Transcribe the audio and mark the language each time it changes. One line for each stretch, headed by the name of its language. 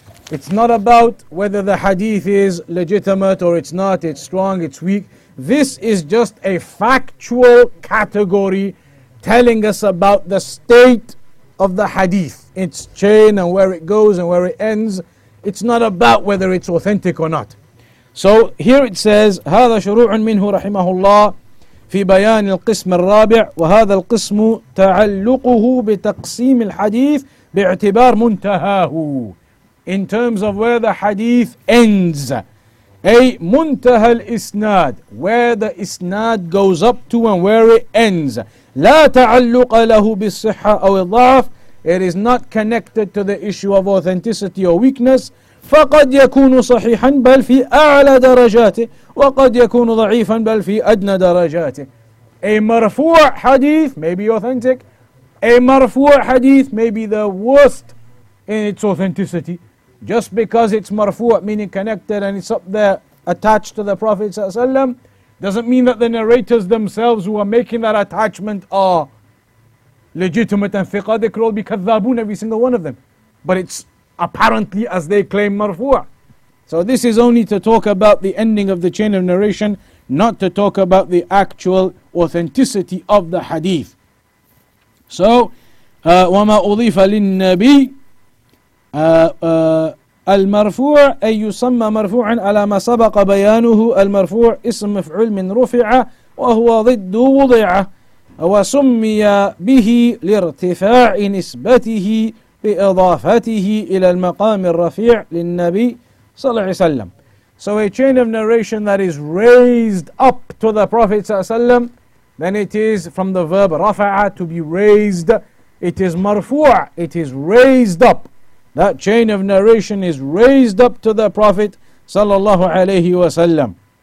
English: It's not about whether the hadith is legitimate or it's not, it's strong, it's weak. This is just a factual category telling us about the state of the hadith, its chain and where it goes and where it ends. It's not about whether it's authentic or not. So here it says,
Arabic: هذا شروع منه رحمه الله في بيان القسم الرابع وهذا القسم تعلقه بتقسيم الحديث باعتبار منتهاه.
English: In terms of where the hadith ends, a منتهى الإسناد, where the إسناد goes up to and where it ends.
Arabic: لا تعلق له بالصحة أو الضعف.
English: It is not connected to the issue of authenticity or weakness.
Arabic: فقد يكون صحيحا بل في أعلى درجاته وقد يكون ضعيفا بل في أدنى درجاته.
English: A مرفوع حديث may be authentic. A مرفوع حديث may be the worst in its authenticity. Just because it's marfu', meaning connected and it's up there attached to the Prophet ﷺ, doesn't mean that the narrators themselves who are making that attachment are legitimate and fiqh. They could all be kathabun, every single one of them. But it's apparently as they claim marfu'. So this is only to talk about the ending of the chain of narration, not to talk about the actual authenticity of the hadith. So,
Arabic: وَمَا أُضِيفَ لِلنَّبِي المرفوع أي يسمى مرفوعا على ما سبق بيانه المرفوع اسم مفعول من رفع وهو ضد وضع وسمي به لارتفاع نسبته بإضافته إلى المقام الرفيع للنبي صلى الله عليه وسلم.
English: So a chain of narration that is raised up to the Prophet صلى الله عليه وسلم, then it is from the verb رفع to be raised. It is مرفوع, it is raised up. That chain of narration is raised up to the Prophet sallallahu alayhi wa sallam.